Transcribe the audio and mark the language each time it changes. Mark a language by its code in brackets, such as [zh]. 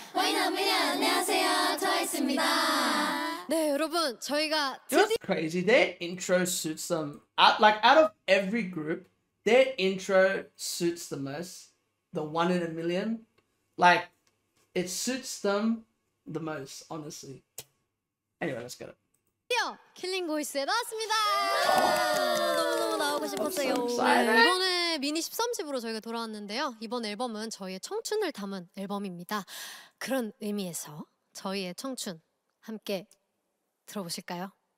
[ko] 와이너미리 안녕하세요 트와이스입니다 네 여러분 저희가 [en] It was crazy their intro suits them like out of every group their intro suits the most the one in a million like it suits them the most honestly anyway let's get it [ko] 드디어 킬링 보이스에 나왔습니다 너무너무 나오고 싶었어요 [en] I'm so excited [ko] 이번에 미니 13집으로 저희가 돌아왔는데요. 이번 앨범은 저희의 청춘을 담은 앨범입니다. 그런 의미에서 저희의 청춘 함께 들어보실까요?